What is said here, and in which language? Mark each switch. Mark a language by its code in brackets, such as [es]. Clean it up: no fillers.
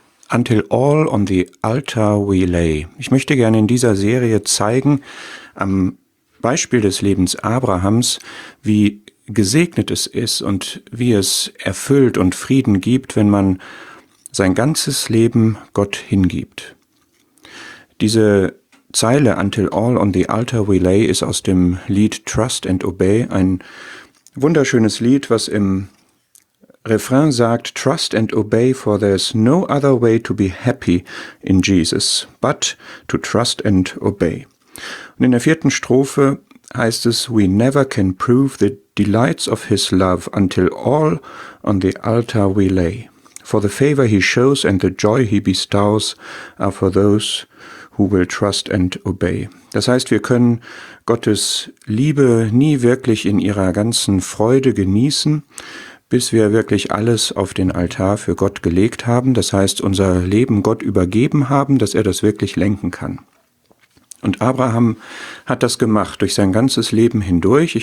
[en] Until All on the Altar We Lay. [de] Ich möchte gerne in dieser Serie zeigen, am Beispiel des Lebens Abrahams, wie gesegnet es ist und wie es erfüllt und Frieden gibt, wenn man sein ganzes Leben Gott hingibt. Diese Zeile Until All on the Altar We Lay ist aus dem Lied [en] Trust and Obey, ein wunderschönes Lied, was im Refrain sagt, Trust and obey, for there's no other way to be happy in Jesus, but to trust and obey. [de] Und in der vierten Strophe heißt es, [en] we never can prove the delights of his love until all on the altar we lay. For the favor he shows and the joy he bestows are for those who will trust and obey. [de] Das heißt, wir können Gottes Liebe nie wirklich in ihrer ganzen Freude genießen, bis wir wirklich alles auf den Altar für Gott gelegt haben. Das heißt, unser Leben Gott übergeben haben, dass er das wirklich lenken kann. Und Abraham hat das gemacht durch sein ganzes Leben hindurch.